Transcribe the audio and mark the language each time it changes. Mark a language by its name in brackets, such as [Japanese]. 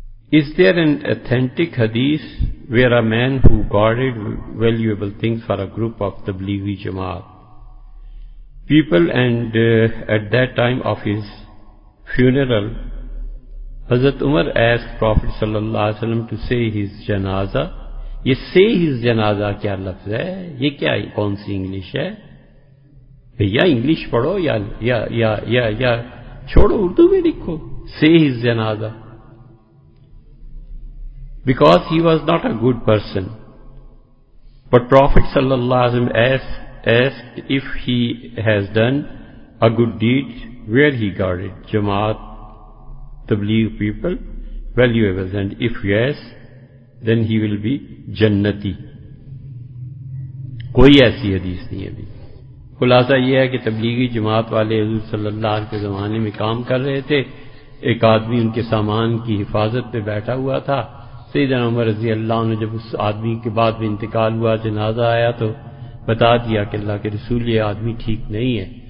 [English] Is there an authentic حدیث where a man who guarded valuable things for a group of Tablighi Jamaat people and at that time of his funeral Hazrat Umar asked Prophet sallallahu alaihi wasallam to say his janaza. [Urdu] یہ [English] say his janaza [Urdu] کیا لفظ ہے, یہ کیا کون سی English ہے, یا English پڑھو یا چھوڑو اردو میں لکھو say his janaza. [English] Because he was not a good person, but Prophet sallallahu alaihi wasallam asked if he has done a good deed, where he got it, Jamaat, Tabligh people, valuables, and if yes, then he will be Jannati. [Urdu] کوئی ایسی حدیث نہیں ہے ابھی. خلاصہ یہ ہے کہ تبلیغی جماعت والے حضور صلی اللہ علیہ کے زمانے میں کام کر رہے تھے, ایک آدمی ان کے سامان کی حفاظت پہ بیٹھا ہوا تھا. سیدنا عمر رضی اللہ عنہ جب اس آدمی کے بعد میں انتقال ہوا, جنازہ آیا تو بتا دیا کہ اللہ کے رسول یہ آدمی ٹھیک نہیں ہے.